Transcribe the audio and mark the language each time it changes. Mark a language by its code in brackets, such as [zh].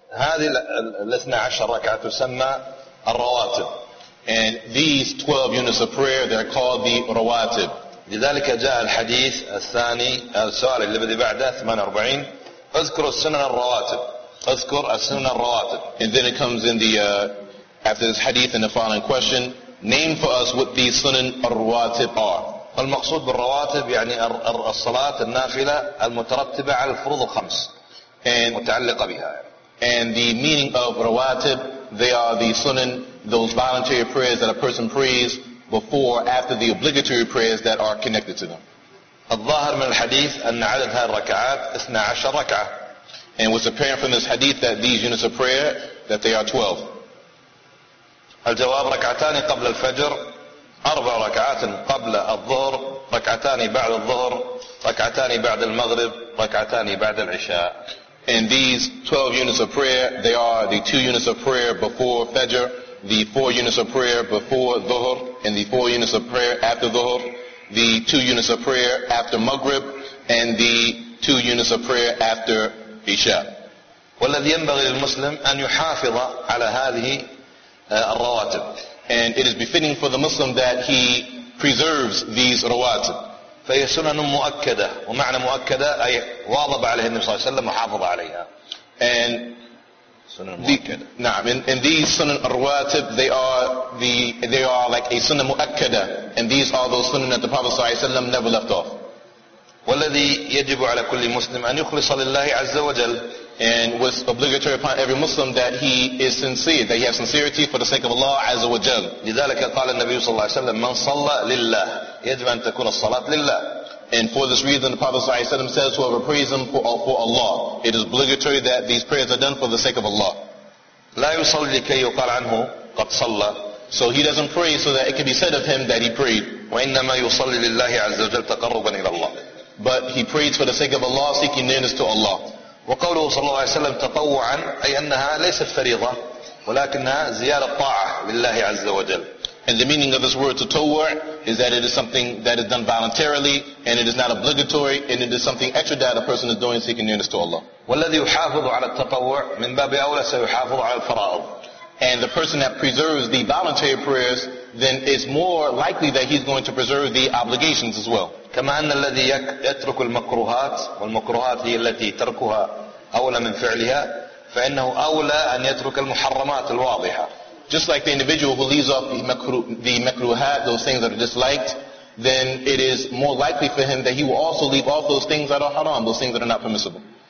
[ar] هذه الاثنى عشر ركعة تسمى الرواتب. [en] And these 12 units of prayer, they're called the rawatib. [ar] لذلك جاء الحديث الثاني السؤال الذي بعده 48 اذكر السنن الرواتب. اذكر السنن الرواتب. [en] And then it comes in the after this hadith and the following question, name for us what these sunan al-rawatib are. [ar] المقصود بالرواتب يعني الصلاة النافلة المترتبة على الفروض الخمس متعلقة بها. [en] And the meaning of rawatib, they are the sunan, those voluntary prayers that a person prays before, after the obligatory prayers that are connected to them. [ar] الظاهر من الحديث أن عدد هذه الركعات 12 ركعة. [en] And what's apparent from this hadith that these units of prayer, that they are 12. [ar] الجواب ركعتان قبل الفجر، أربع ركعات قبل الظهر، ركعتان بعد الظهر، ركعتان بعد المغرب، ركعتان بعد العشاء. [en] And these 12 units of prayer, they are the 2 units of prayer before Fajr, the 4 units of prayer before Dhuhr, and the 4 units of prayer after Dhuhr, the 2 units of prayer after Maghrib, and the 2 units of prayer after Isha. [ar] والذي ينبغي للمسلم أن يحافظ على هذه الرواتب. [en] And it is befitting for the Muslim that he preserves these rawatib. [ar] فهي سنن مؤكدة، ومعنى مؤكدة أي واظب عليها النبي صلى الله عليه وسلم وحافظ عليها. [en] And [ar] سنن مؤكدة. نعم. [en] And these sunan rawatib, they are like a sunnah muakkada, and these are those sunan that the Prophet [ar] صلى الله عليه وسلم [en] never left off. [ar] والذي يجب على كل مسلم أن يخلص لله عز وجل. [en] And was obligatory upon every Muslim that he is sincere, that he has sincerity for the sake of Allah Azza wa Jal. [ar] لذلك قال النبي صلى الله عليه وسلم من صلى لله يجب أن تكون الصلاة لله. [en] And for this reason, the Prophet [ar] صلى الله عليه وسلم [en] says, whoever prays him for Allah, it is obligatory that these prayers are done for the sake of Allah. [ar] لا يصلي لكي يقال عنه قد صلى. [en] So he doesn't pray so that it can be said of him that he prayed. [ar] وإنما يصلي لله عز وجل تقربا إلى الله. [en] But he prays for the sake of Allah, seeking nearness to Allah. [ar] وقوله صلى الله عليه وسلم تطوعا أي أنها ليست فريضة ولكنها زيادة طاعة لله عز وجل. [en] And the meaning of this word تطوع is that it is something that is done voluntarily and it is not obligatory and it is something extra that a person is doing seeking nearness to Allah. [ar] والذي يحافظ على التطوع من باب أولى سيحافظ على الفرائض. [en] And the person that preserves the voluntary prayers, then it's more likely that he's going to preserve the obligations as well. [ar] كما أن الذي يترك المكروهات، والمكروهات هي التي تركها أولى من فعلها، فإنه أولى أن يترك المحرمات الواضحة. [en] Just like the individual who leaves off the makruhat, those things that are disliked, then it is more likely for him that he will also leave off those things that are haram, those things that are not permissible.